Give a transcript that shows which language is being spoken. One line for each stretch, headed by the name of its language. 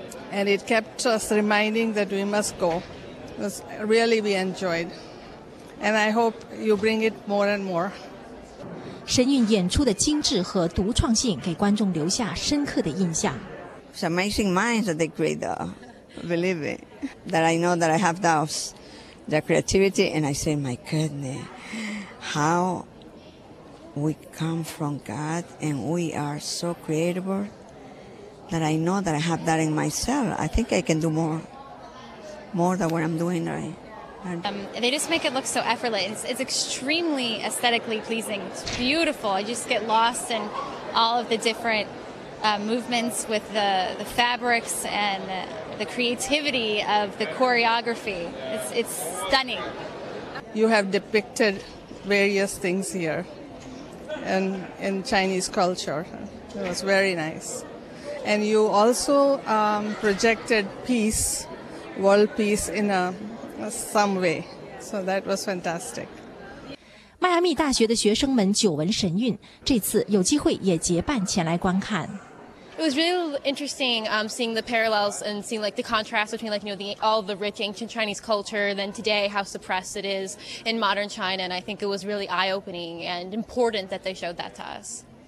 English: And it kept us reminding that we must go. Really, we enjoyed. And I hope you bring it more and more.
Chinese: 神韵演出的精致和独创性给观众留下深刻的印象。
English: It's amazing minds that they create, believe it. That I know that I have doubts, their creativity, and I say, my goodness, how we come from God and we are so creative that I know that I have that in myself. I think I can do more than what I'm doing right now. They just make it look so effortless. It's extremely aesthetically pleasing. It's beautiful. I just get lost in all of the differentmovements with the fabrics and the creativity of the choreography. It's stunning. You have depicted various things here and in Chinese culture. It was very nice. And you also projected peace, world peace in some way. So that was fantastic.
Chinese: 迈阿密大学的学生们久闻神韵，这次有机会也结伴前来观看。
English: It was really interesting seeing the parallels and seeing like the contrast between like, you know, all the rich ancient Chinese culture than today, how suppressed it is in modern China. And I think it was really eye-opening and important that they showed that to us.